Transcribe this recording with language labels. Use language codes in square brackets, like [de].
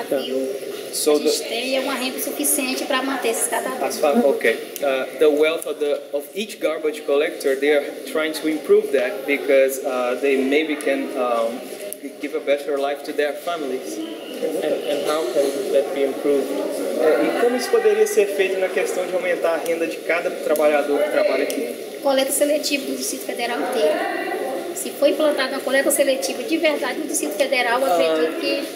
[pt] que a gente tem é uma renda suficiente para manter esses catadores. [en] The wealth of each garbage collector, they are trying to improve that because they maybe can give a better life to their families. And how can that be improved? [pt] E como isso poderia ser feito na questão de aumentar a renda de cada trabalhador que trabalha aqui? Coleta seletiva do Distrito Federal inteiro. Se foi implantada uma coleta seletiva de verdade no Distrito Federal, acredito que...